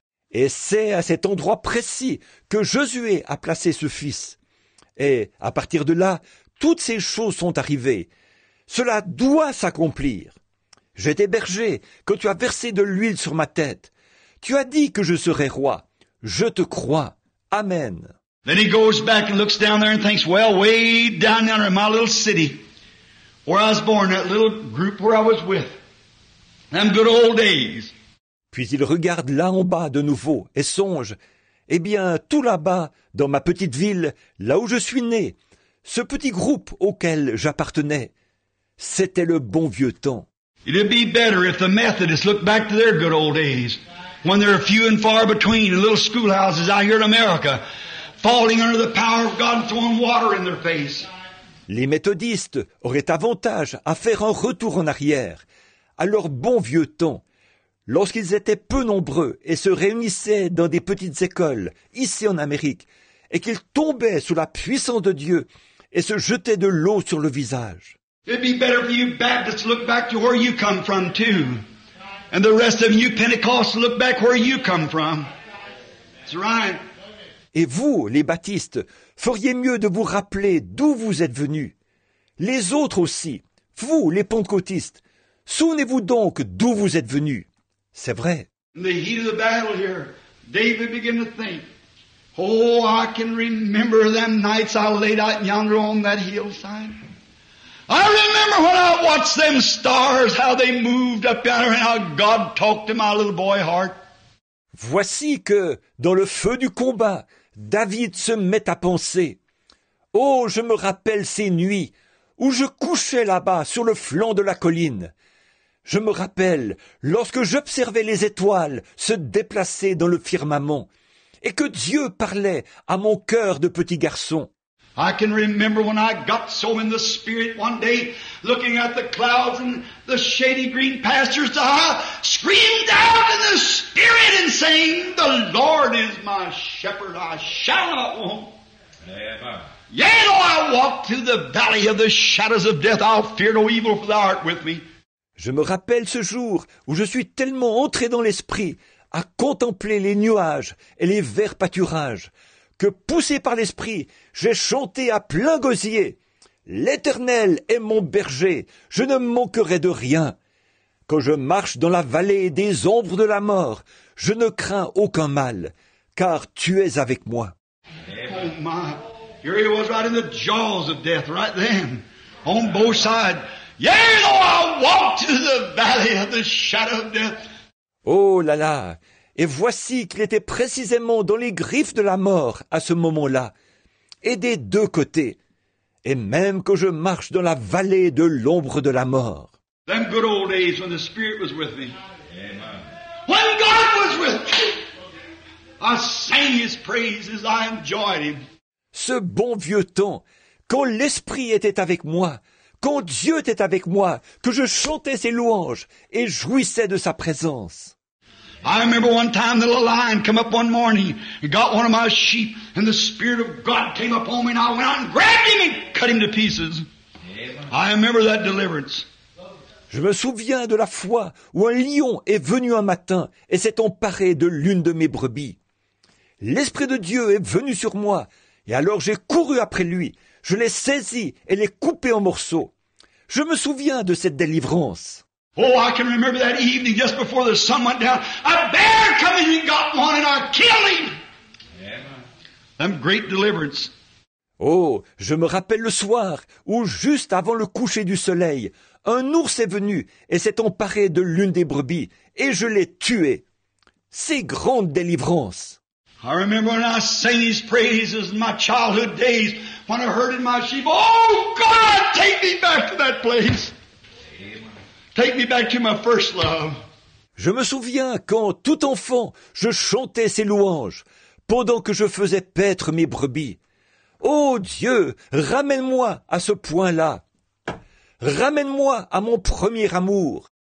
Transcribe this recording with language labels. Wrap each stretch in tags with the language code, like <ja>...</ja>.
<fr>Et c'est à cet endroit précis que Josué a placé ce fils. Et à partir de là, toutes ces choses sont arrivées. Cela doit s'accomplir. J'étais berger quand tu as versé de l'huile sur ma tête. Tu as dit que je serai roi. Je te crois. Amen.</fr> <en>Then he goes back and looks down there and thinks, well, way down there in my little city, where I was born, that little group where I was with, them good old days.</en> <fr>Puis il regarde là en bas de nouveau et songe, eh bien, tout là-bas, dans ma petite ville, là où je suis né, ce petit groupe auquel j'appartenais, c'était le bon vieux temps.</fr> <en>It'd be better if the Methodists looked back to their good old days, when there are few and far between in little schoolhouses out here in America, falling under the power of God and throwing water in their face.</en> <fr>Les méthodistes auraient avantage à faire un retour en arrière, à leur bon vieux temps, lorsqu'ils étaient peu nombreux et se réunissaient dans des petites écoles, ici en Amérique, et qu'ils tombaient sous la puissance de Dieu et se jetaient de l'eau sur le visage.</fr> <en>It'd be better for you Baptists to look back to where you come from too. And the rest of you Pentecostals look back where you come from. That's right.</en> <fr>Et vous, les Baptistes, feriez mieux de vous rappeler d'où vous êtes venus. Les autres aussi, vous, les Pentecôtistes, souvenez-vous donc d'où vous êtes venus. C'est vrai.</fr> <en>In the heat of the battle here, David began to think, oh, I can remember them nights I laid out yonder on that hillside. I remember when I watched them stars, how they moved up yonder, and how God talked to my little boy heart.</en> <fr>Voici que, dans le feu du combat, David se met à penser. Oh, je me rappelle ces nuits où je couchais là-bas sur le flanc de la colline. Je me rappelle lorsque j'observais les étoiles se déplacer dans le firmament et que Dieu parlait à mon cœur de petit garçon.</fr> <en>I can remember when I got so in the spirit one day, looking at the clouds and the shady green pastures, I screamed out in the spirit and saying, the Lord is my shepherd, I shall not want. Yea, though I walk through the valley of the shadows of death, I'll fear no evil, for thou art with me.</en> <fr>Je me rappelle ce jour où je suis tellement entré dans l'esprit à contempler les nuages et les verts pâturages, que poussé par l'esprit, j'ai chanté à plein gosier. L'Éternel est mon berger, je ne manquerai de rien. Quand je marche dans la vallée des ombres de la mort, je ne crains aucun mal, car tu es avec moi.</fr> <en>Oh my, here he was right in the jaws of death, right then, on both sides. Yea, though I walk to the valley of the shadow of death.</en> <fr>Oh là là! Et voici qu'il était précisément dans les griffes de la mort à ce moment-là, et des deux côtés, et même que je marche dans la vallée de l'ombre de la mort.</fr> <en>Them good old days when the Spirit was with me. Amen. When God was with me, I sang His praises, I enjoyed Him.</en> <fr>Ce bon vieux temps, quand l'Esprit était avec moi, quand Dieu était avec moi, que je chantais ses louanges et jouissais de sa présence.</fr> <en>I remember one time the little lion come up one morning and got one of my sheep and the Spirit of God came upon me and I went out and grabbed him and cut him to pieces. Amen. I remember that deliverance.</en> <fr>Je me souviens de la fois où un lion est venu un matin et s'est emparé de l'une de mes brebis. L'Esprit de Dieu est venu sur moi, et alors j'ai couru après lui. Je l'ai saisi et l'ai coupé en morceaux. Je me souviens de cette délivrance.</fr> <en>Oh, I can remember that evening just before the sun went down. A bear came and got one and I killed him. Them great deliverance.</en> <fr>Oh, je me rappelle le soir où, juste avant le coucher du soleil, un ours est venu et s'est emparé de l'une des brebis et je l'ai tué. Ces grandes délivrances.</fr> <en>I remember when I sang his praises in my childhood days when I heard in my sheep, oh God, take me back to that place. Take me back to my first love.</en> <fr>Je me souviens quand, tout enfant, je chantais ces louanges pendant que je faisais paître mes brebis. Oh Dieu, ramène-moi à ce point-là. Ramène-moi à mon premier amour.</fr>